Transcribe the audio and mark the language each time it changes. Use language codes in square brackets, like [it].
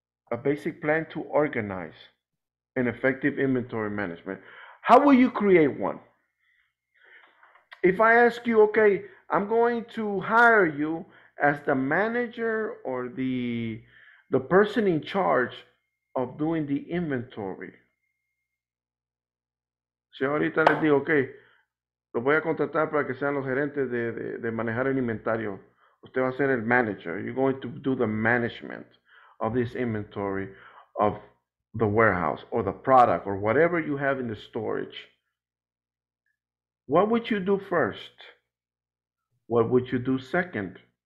[en] A basic plan to organize an effective inventory management. How will you create one? If I ask you, okay, I'm going to hire you as the manager or the person in charge of doing the inventory. [es] Si ahorita les digo, okay, lo voy a contratar para que sean los gerentes de manejar el inventario. Usted va a ser el manager. [en] You're going to do the management of this inventory of the warehouse or the product or whatever you have in the storage. What would you do first? What would you do second?